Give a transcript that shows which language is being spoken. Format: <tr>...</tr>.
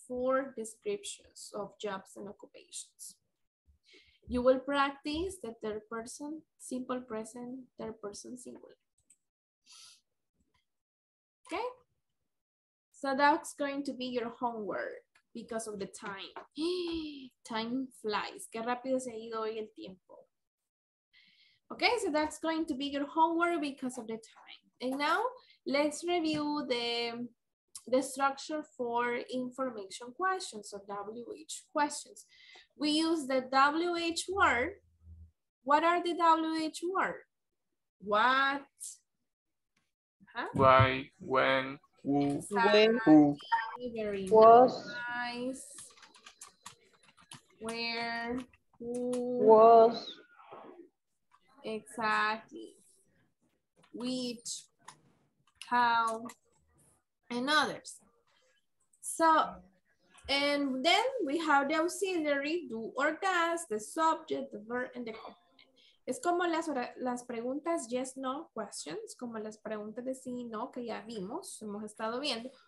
<en>Four descriptions of jobs and occupations. You will practice the third person, simple present, third person, singular. Okay? So that's going to be your homework because of the time. Time flies.</en> <es>Qué rápido se ha ido hoy el tiempo.</es> <en>Okay, so that's going to be your homework because of the time. And now let's review the structure for information questions or WH questions. We use the WH word. What are the WH word? What? Huh? Why, when, who, exactly. When, who. Very was. Nice. Where, Was. Exactly. Which, how, and others. So, and then we have the auxiliary, do or does, the subject, the verb, and the complement.</en> <es>Es como las preguntas</es> <en>yes, no questions,</en> <es>como las preguntas de sí, no, que ya vimos, hemos estado viendo.</es>